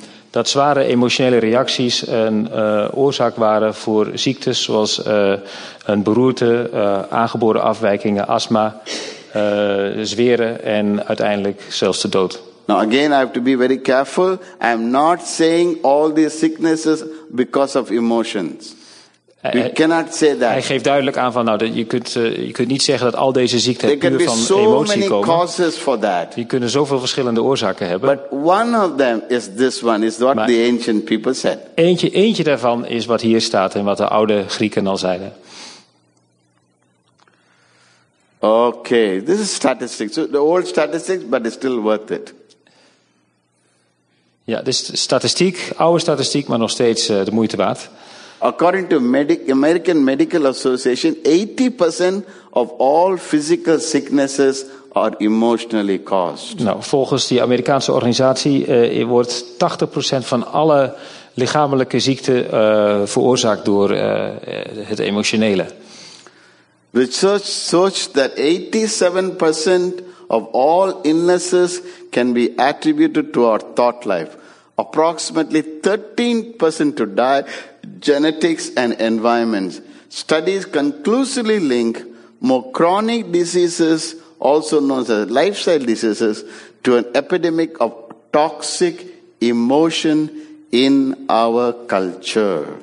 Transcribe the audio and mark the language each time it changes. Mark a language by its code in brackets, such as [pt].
[nl] Dat zware emotionele reacties een oorzaak waren voor ziektes zoals een beroerte, aangeboren afwijkingen, astma, zweren en uiteindelijk zelfs de dood. [en] Now again, I have to be very careful. I'm not saying all these sicknesses because of emotions. We cannot say that. [nl] Hij geeft duidelijk aan van, je kunt niet zeggen dat al deze ziekten puur van [en] so [nl] emotie [en] many [nl] komen. [en] Causes for that. [nl] Je kunnen zoveel verschillende oorzaken hebben. [en] But one of them is this one, is what the ancient people said. [nl] Eentje daarvan is wat hier staat en wat de oude Grieken al zeiden. [en] Okay, this is statistics. So the old statistics, but it's still worth it. [nl] Ja, dit is statistiek, oude statistiek, maar nog steeds de moeite waard. [en] According to American Medical Association, 80% of all physical sicknesses are emotionally caused. [nl] Nou, volgens die Amerikaanse organisatie wordt 80% van alle lichamelijke ziekten veroorzaakt door het emotionele. [en] Research shows that 87% of all illnesses can be attributed to our thought life. Approximately 13% to diet, genetics and environment. Studies conclusively link more chronic diseases, also known as lifestyle diseases, to an epidemic of toxic emotion in our culture.